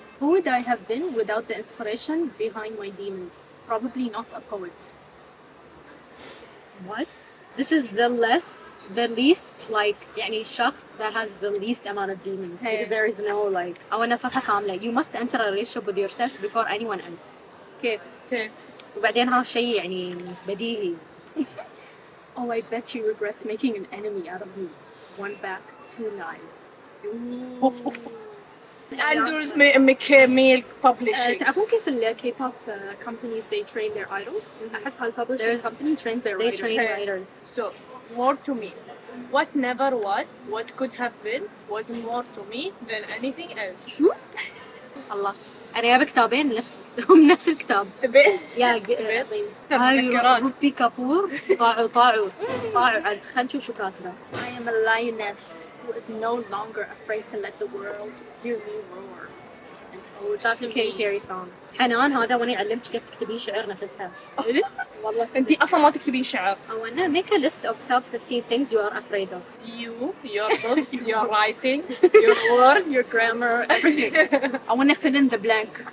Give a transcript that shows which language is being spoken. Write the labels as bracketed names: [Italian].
[English] Who would I have been without the inspiration behind my demons? Probably not a poet. What? This is the least, like, [Arabic] يعني شخص [English] that has the least amount of demons. Hey. There is no, like, I want to [Arabic] صفحة كاملة. [English] You must enter a relationship with yourself before anyone else. Okay. [Arabic] وبعدين هالشي يعني بديهي. [English] Oh, I bet you regret making an enemy out of me. One back, two knives. Andrew's Mikhail Publishing. [Arabic] تعرفون كيف ال [English] K-pop companies they train their idols? [Arabic] أحس هال [English] publishing There's company trains their they writers. They train writers. So, more to me. What never was, what could have been, was more to me than anything else. [Arabic] شو؟ خلاص. أنا جايب كتابين نفس الكتاب. تبين؟ يا تبين؟ روبي كابور طاعوا خلنا نشوف شو كاتبه. [English] I am a lioness. Who is no longer afraid to let the world hear me roar. And that's a Katy Perry song. [Arabic] حنان هذا وانا علمتك كيف تكتبين شعر نفسها. والله انت اصلا ما تكتبين شعر. [English] وانا make a list of top 15 things you are afraid of. You, your books, your writing, your words, your grammar, everything. I want to fill in the blank.